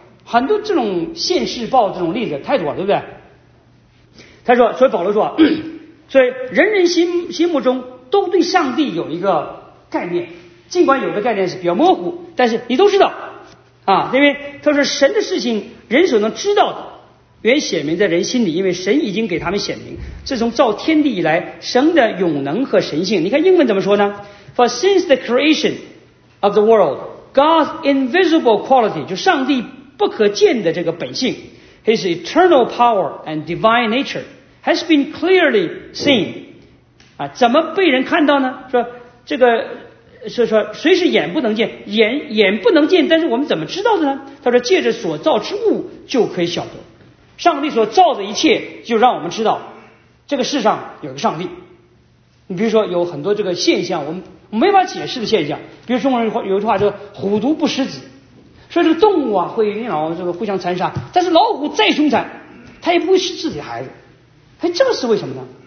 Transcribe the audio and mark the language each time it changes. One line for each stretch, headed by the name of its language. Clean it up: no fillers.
Chinese: 很多这种现世报这种例子太多了，对不对？他说，所以保罗说，所以人人心目中都对上帝有一个概念，尽管有的概念是比较模糊，但是你都知道啊。因为他说，神的事情人所能知道的原显明在人心里，因为神已经给他们显明。自从造天地以来，神的永能和神性，你看英文怎么说呢？
English: For since the creation of the world, God's invisible quality,
Chinese: 就上帝不可见的这个本性，
English: His eternal power and divine nature has been clearly seen、
Chinese: 啊、怎么被人看到呢？说这个是说谁是眼不能见，眼不能见，但是我们怎么知道的呢？他说借着所造之物就可以晓得，上帝所造的一切就让我们知道这个世上有个上帝。你比如说有很多这个现象我们没法解释的现象，比如中国人有句话叫虎毒不食子，说这个动物啊会你老这个互相残杀，但是老虎再凶残它也不会吃自己的孩子。哎，这个是为什么呢？